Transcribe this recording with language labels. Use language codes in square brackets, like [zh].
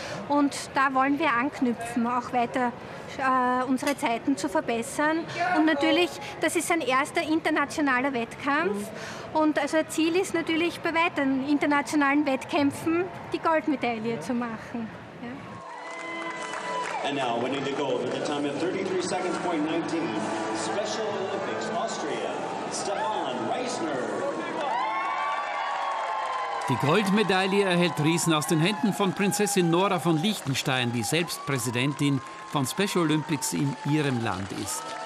[de] Und da wollen wir anknüpfen, auch weiter unsere Zeiten zu verbessern. Und natürlich, das ist sein erster internationaler Wettkampf. Und also das Ziel ist natürlich, bei weiteren internationalen Wettkämpfen die Goldmedaille zu machen. [en] And now winning the gold with a time of 33 seconds.19, Special Olympics Austria, Stefan Reisner. [de] Die Goldmedaille erhält Riesen aus den Händen von Prinzessin Nora von Liechtenstein, die selbst Präsidentin von Special Olympics in ihrem Land ist.